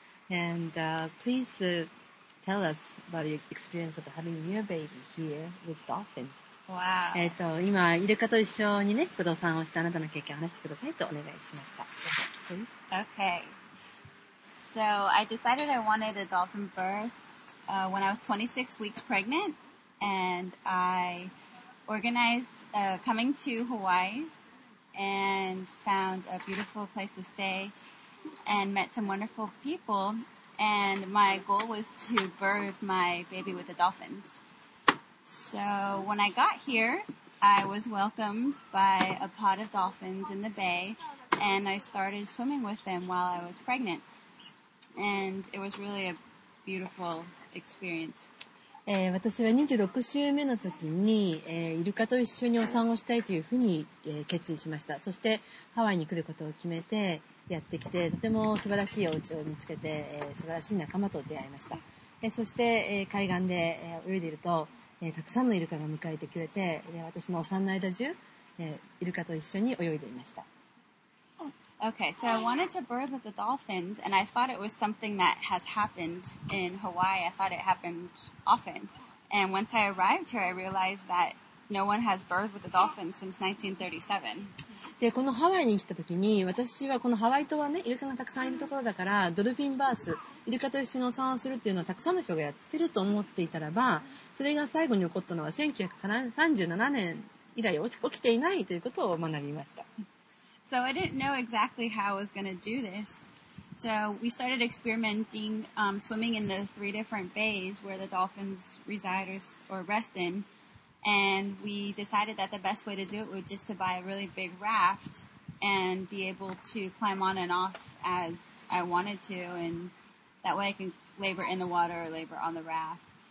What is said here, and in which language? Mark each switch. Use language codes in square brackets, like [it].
[en] And please tell us about your experience of having your baby here with dolphins. Wow. [ja] 今イルカと一緒にね、お産をしたあなたの経験を話してくださいとお願いしました。 [en] Okay. So I decided I wanted a dolphin birth when I was 26 weeks pregnant, and I organized coming to Hawaii and found a beautiful place to stay and met some wonderful people. And my goal was to birth my baby with the dolphins. So when I got here, I was welcomed by a pod of dolphins in the bay, and I started swimming with them while I was pregnant. And it was really a beautiful experience. [ja] 私は26週目の時に、イルカと一緒にお産をしたいというふうに、決意しました。そしてハワイに来ることを決めてやってきて、とても素晴らしいお家を見つけて、素晴らしい仲間と出会いました。そして、海岸で、泳いでいると、たくさんのイルカが迎えてくれて、私のお産の間中、イルカと一緒に泳いでいました。 [en] Okay, so I wanted to birth with the dolphins, and I thought it was something that has happened in Hawaii. I thought it happened often. And once I arrived here, I realized that no one has birthed with the dolphins since 1937. [ja] で、このハワイに来た時に、私はこのハワイ島はね、イルカがたくさんいるところだから、ドルフィンバース、イルカと一緒にお産をするっていうのはたくさんの人がやってると思っていたらば、それが最後に起こったのは1937年以来起きていないということを学びました。 [en] So I didn't know exactly how I was going to do this. So we started experimenting, swimming in the three different bays where the dolphins reside or rest in. And we decided that the best way to do it was just to buy a really big raft and be able to climb on and off as I wanted to, and that way I can labor in the water or labor on the raft.